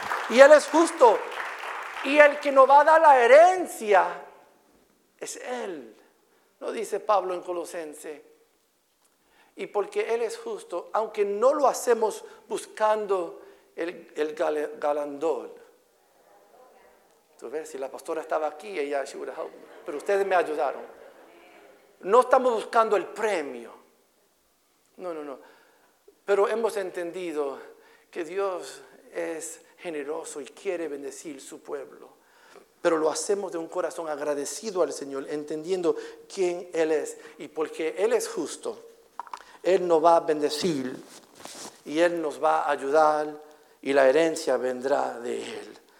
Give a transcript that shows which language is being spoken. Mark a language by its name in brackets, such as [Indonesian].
[Spanish] Y Él es justo. Y el que nos va a dar la herencia es Él, lo dice Pablo en Colosense. Y porque Él es justo, aunque no lo hacemos buscando el galardón. Tú ves, si la pastora estaba aquí, ella [English] she would have helped me. [Spanish] Pero ustedes me ayudaron. No estamos buscando el premio. No, no, no. Pero hemos entendido que Dios es generoso y quiere bendecir su pueblo, pero lo hacemos de un corazón agradecido al Señor, entendiendo quién Él es, y porque Él es justo, Él nos va a bendecir y Él nos va a ayudar, y la herencia vendrá de Él.